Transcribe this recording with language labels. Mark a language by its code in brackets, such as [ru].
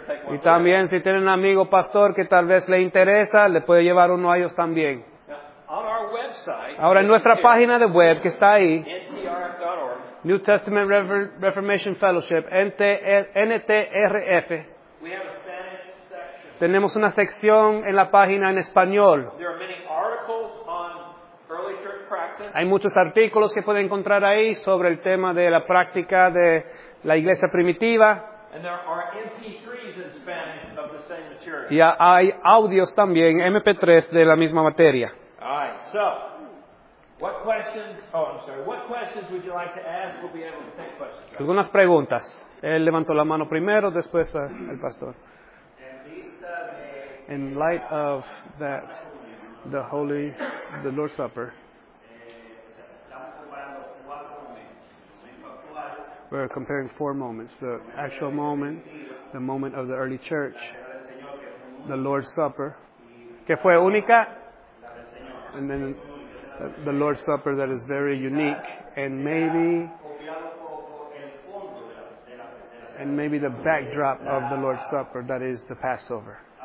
[es] Y también si tienen un amigo pastor que tal vez le interesa, le puede llevar uno a ellos también. [en] Now, on our website, [es] ahora en nuestra página de web que está ahí, [en] ntrf.org, New Testament Reformation Fellowship, NTRF. We have a Spanish section. [es] Tenemos una sección en la página en español. [en] There are many articles on early church practice. [es] Hay muchos artículos que pueden encontrar ahí sobre el tema de la práctica de la iglesia primitiva. [en] And there are MP3s in Spanish of the same material. [es] Y hay audios también, MP3, de la misma materia. [en] All right, so. What questions? Oh, I'm sorry. What questions would you like to ask? We'll be able to take questions. [es] Algunas preguntas. Él levantó la mano primero, después el pastor. [en] In light of that, the Lord's Supper, we're comparing four moments: the actual moment, the moment of the early church, the Lord's Supper, [es] que fue única, [en] and then the Lord's Supper that is very unique, and maybe the backdrop of the Lord's Supper, that is the Passover.